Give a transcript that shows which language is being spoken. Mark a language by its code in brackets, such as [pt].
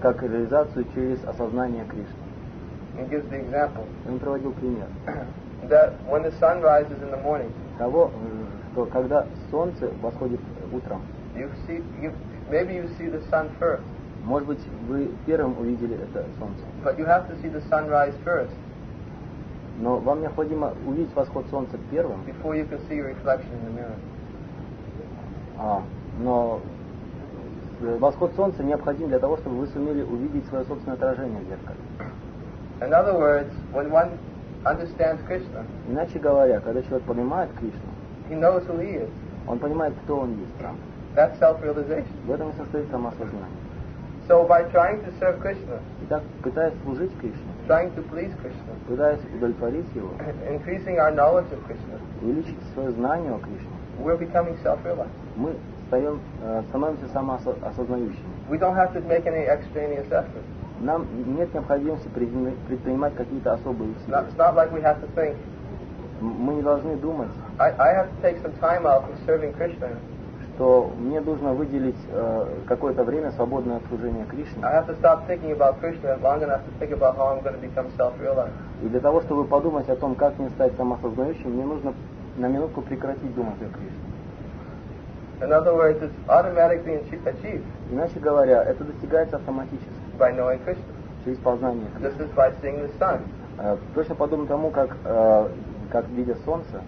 [ru] Как реализацию через осознание Кришны. [en] He gives the example. [ru] Он приводил пример. [en] That when the sun rises in the morning. [ru] Того, что когда солнце восходит утром. [en] Maybe you see the sun first. [ru] Может быть, вы первым увидели это солнце. [en] But you have to see the sunrise first. [ru] Но вам необходимо увидеть восход солнца первым. [en] Before you can see your reflection in the mirror. [ru] Но восход солнца необходим для того, чтобы вы сумели увидеть свое собственное отражение в зеркале. [en] In other words, when one understands Krishna, [ru] иначе говоря, когда человек понимает Кришну, [en] he knows who he is. [ru] Он понимает, кто он есть там. [en] That's self-realization. [ru] В этом и состоит самосознание. [en] So by trying to serve Krishna, [ru] итак, пытаясь служить Кришне, [en] trying to please Krishna, [ru] пытаясь удовлетворить его, [en] increasing our knowledge of Krishna, [ru] увеличить свое знание о Кришне, [en] we're becoming self-realized. [ru] Мы становимся самоосознающими. [en] We don't have to make any extraneous effort. [ru] Нам нет необходимости предпринимать какие-то особые усилия. [en] It's not like we have to think. [ru] Мы не должны думать. [en] I have to take some time out from serving Krishna. [ru] Что мне нужно выделить какое-то время свободное от служения Кришне. [en] I have to stop thinking about Krishna long enough to think about how I'm going to become self-realized. [ru] И для того, чтобы подумать о том, как мне стать самосознающим, мне нужно на минутку прекратить думать о Кришне. [en] In other words, it's automatically achieved. [ru] Иначе говоря, это достигается автоматически. [en] By knowing Krishna. [ru] Через познание Кришны. [en] This is by seeing the sun. [ru] Точно подобно тому, как видя солнце,